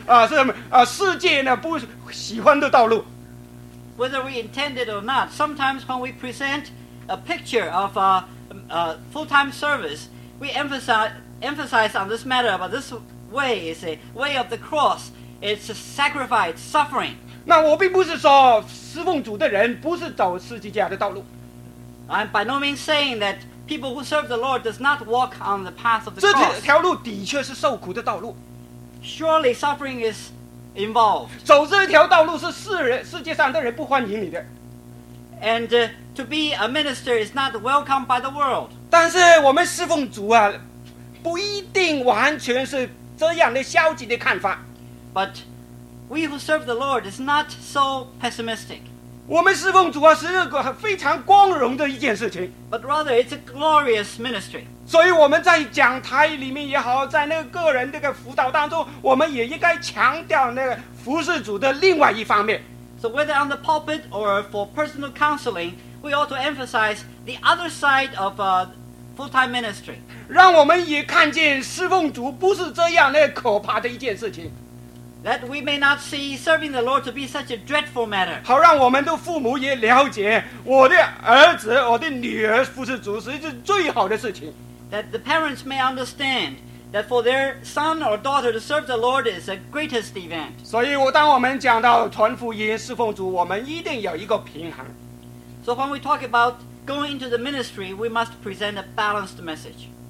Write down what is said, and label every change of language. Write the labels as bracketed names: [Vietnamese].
[Chinese] 我们很多时候在讲台有形无形中当中把那个服事主的讲得非常消极，说你走这条路啊，是十字架的道路，是受苦的道路，是世界呢不喜欢的道路。 [English] Whether we intend it or not, sometimes when we present a picture of a full-time service, we emphasize on this matter about this way is a way of the cross. It's a sacrifice, suffering. [Chinese] 那我并不是说侍奉主的人不是走十字架的道路。 [English] I'm by no means saying that people who serve the Lord does not walk on the path of the cross. [Chinese] 这条路的确是受苦的道路。 [English] Surely suffering is involved. [Chinese] 走这条道路是世人世界上的人不欢迎你的。 [English] And to be a minister is not welcomed by the world. [Chinese] 但是我们侍奉主啊, 不一定完全是这样的消极的看法。 [English] But we who serve the Lord is not so pessimistic. [Chinese] 我们侍奉主啊, 是个非常光荣的一件事情。 [English] But rather, it's a glorious ministry. [Chinese] 所以我们在讲台里面也好, 在那个个人这个辅导当中, 我们也应该强调那个服事主的另外一方面。 [English] So whether on the pulpit or for personal counseling, we ought to emphasize the other side of full-time ministry. [Chinese] 让我们也看见侍奉主不是这样那可怕的一件事情。 [English] That we may not see serving the Lord to be such a dreadful matter. [Chinese] 好让我们的父母也了解我的儿子我的女儿服事主是一件最好的事情。 [English] That the parents may understand that for their son or daughter to serve the Lord is the greatest event. [Chinese] 所以当我们讲到传福音侍奉主我们一定有一个平衡。 [English] So when we talk about going into the ministry, we must present a balanced message.